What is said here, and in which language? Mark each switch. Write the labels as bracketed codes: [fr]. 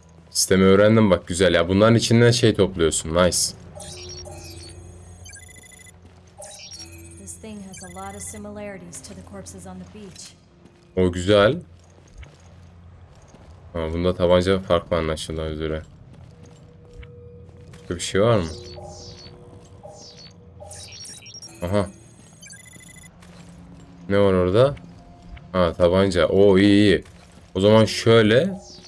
[tr] Sistemi öğrendim bak, güzel ya. Bunların içinden şey topluyorsun. [en] Nice. This thing has a lot of similarities to the corpses on the beach. [tr] O güzel. Ha, bunda tabanca farklı anlaşıldığı üzere. Bir şey var mı? Aha. Ne var orada? Ha, tabanca. Oo, iyi iyi. O zaman şöyle.